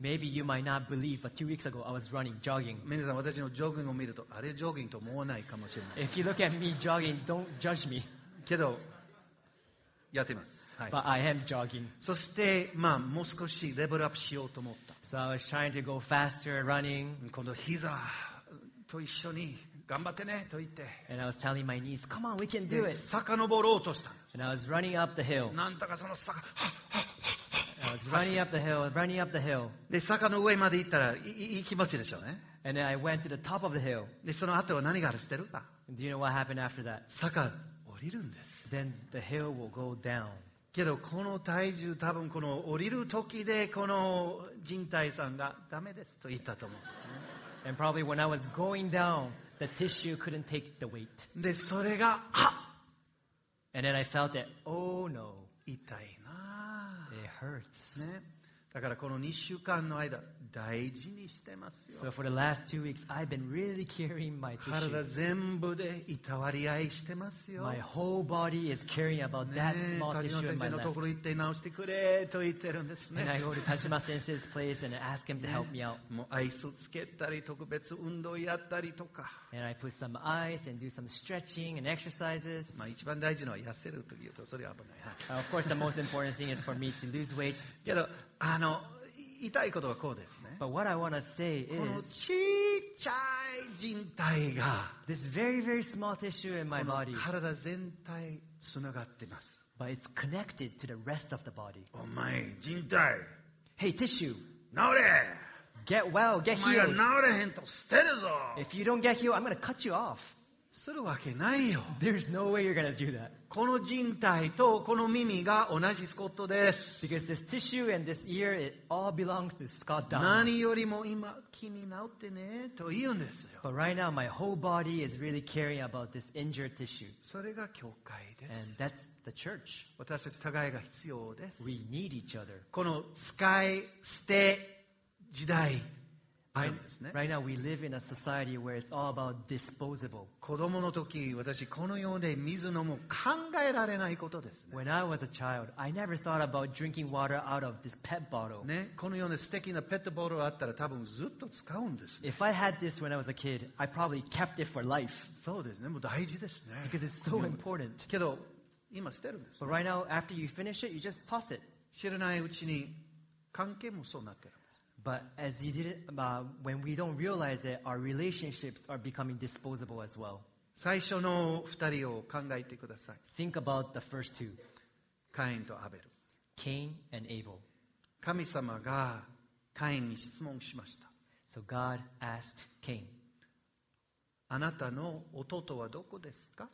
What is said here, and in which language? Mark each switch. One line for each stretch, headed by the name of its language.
English: Maybe you might not believe, but 2 weeks ago, I was running, jogging.
Japanese: 皆さん、私のジョギングを見ると、あれ、ジョギングと思わないかもしれない。
English: If you look at me jogging, don't judge me.
Japanese: けど、やってます。はい、
English: but I am jogging.
Japanese: そして、まあ、もう少しレベルアップしようと思った。
English: So I was trying to go faster running.
Japanese: 今度、膝と一緒に。頑張ってねと言って。
English: And I was telling my knees, come on, we can do it.
Japanese: 坂登ろうとした。
English: And I was running up the hill.
Japanese: なんとかその坂。
English: I was running up the hill, running up the hill.
Japanese: で、坂の上まで行ったら、いい気持ちでしょうね。
English: And then I went to the top of the hill.
Japanese: で、その後は何があるしてるか。
English: Do you know what happened after that?
Japanese: 坂降りるんです。
English: Then the hill will go down.
Japanese: けど、この体重、多分この降りる時で、この靭帯さんがダメですと言ったと思う。
English: And probably when I was going down,The tissue couldn't take the weight.
Japanese: で、それが、あっ!
English: And then I felt it. Oh no.
Japanese: 痛いな。
English: It hurts.
Japanese: ね。だからこの2週間の間、大事にしてますよ。
English: So for the last 2 weeks, I've been really carrying my tissue.
Japanese: 体全部でいたわり合いしてますよ。
English: My whole body is caring about that small tissue in my left. 田島
Japanese: 先生のところ行って直してくれと言ってるんですね。
English: And I go to 田島先生's place and ask him to help me out.
Japanese: もうアイスつけたり特別運動やったりとか。
English: And I put some ice and do some stretching and exercises.
Japanese: まあ一番大事のは痩せるというと、それは危ない。
English: Of course, the most important thing is for me to lose weight.
Japanese: けど、あの、言いたいことはこうですね。
English: But what I want to say is,
Japanese: この小さい靭帯が、
English: this very, very small tissue in my body,
Japanese: この体全体つながってます。
English: But it's connected to the rest of the body.
Japanese: お前、靭帯。
English: Hey, tissue.
Japanese: 治れ
English: !Get well, get healed.
Japanese: お前が治れへんと捨てるぞ
English: !If you don't get healed, I'm going to cut you off.
Japanese: するわけないよ。
English: There's no way you're going to do that.
Japanese: この靭帯とこの耳が同じスコットです。
English: Because this tissue and this ear, it all belongs to Scott Dunn.
Japanese: 何よりも今気になってねと言うんですよ。
English: But right now, my whole body is really caring about this injured tissue.
Japanese: それが教会です。
English: And that's the church.
Japanese: 私たち互いが必要です。
English: We need each other.
Japanese: この使い捨て時代。
English: Right now we live in a society where it's all about disposable.
Japanese: 子供の時、私このようで水飲む考えられないことですね。
English: When I was a child, I never thought about drinking water out of this pet bottle.
Japanese: ね、このような素敵なペットボトルあったら多分ずっと使うんです、ね。
English: If I had this when I was a kid, I probably kept it for life.
Japanese: そうですね、もう大事ですね。
English: Because it's so important.
Japanese: けど、今捨てるんです、ね。
English: But right now, after you finish it, you just toss it.
Japanese: 知らないうちに関係もそうなってる。
English: But as you did, when we don't realize it, our relationships are becoming disposable as well.
Japanese: 最初の二人を考えてください。
English: Think about the first two.
Japanese: カインとアベル。
English: Cain and Abel.
Japanese: 神様がカインに質問しました。
English: So God asked Cain.
Japanese: あなたの弟はどこですか?